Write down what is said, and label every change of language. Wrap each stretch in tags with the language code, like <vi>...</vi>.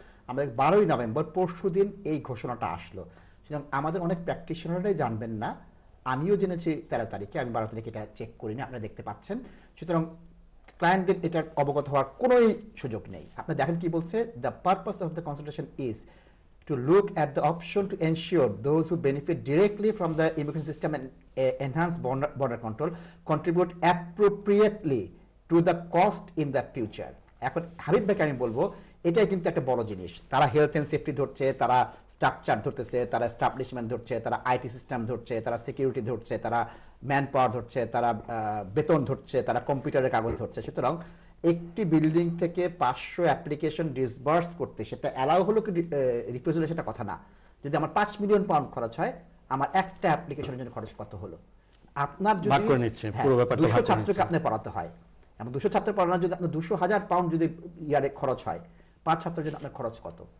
<bn>আমাদের 12 নভেম্বর পরশু দিন এই ঘোষণাটা আসলো, সুতরাং আমাদের অনেক প্র্যাকটিশনারাই জানবেন না, আমিও জেনেছি 13 তারিখে, আমি 12 তারিখে এটা চেক করিনি, আপনারা দেখতে পাচ্ছেন। সুতরাং ক্লায়েন্টদের এটার অবগত হওয়ার কোনোই সুযোগ নেই। আপনি দেখেন কি বলছে,</bn> <en>The purpose of the consultation is to look at the option to ensure those who benefit directly from the immigration system and enhanced border control contribute appropriately to the cost in the future.</en> <bn>এখন হাবিব ভাইকে আমি বলবো, এটাই কিন্তু একটা বড় জিনিস। তারা হেলথ এন্ড সেফটি ধরছে, তারা স্ট্রাকচার ধরতেছে, তারা এস্টাবলিশমেন্ট ধরছে, তারা আইটি সিস্টেম ধরছে, তারা সিকিউরিটি ধরছে, তারা ম্যান পাওয়ার ধরছে, তারা বেতন ধরছে, তারা কম্পিউটারের কাগজ ধরছে। সুতরাং একটি বিল্ডিং থেকে 500 অ্যাপ্লিকেশন ডিসবার্স করতে সেটা অ্যালাউ হলো কি রিফিউজ হলো সেটা কথা না, যদি আমার 5 মিলিয়ন পাউন্ড খরচ হয় আমার একটা অ্যাপ্লিকেশনের জন্য খরচ কত হলো, আপনার যদি 200 ছাত্রকে আপনি পড়াতে হয় এবং 200 ছাত্র পড়ানোর জন্য আপনার 200,000 পাউন্ড যদি ইয়ারে খরচ হয়, 5 ছাত্রের জন্য আপনার খরচ কত?</bn>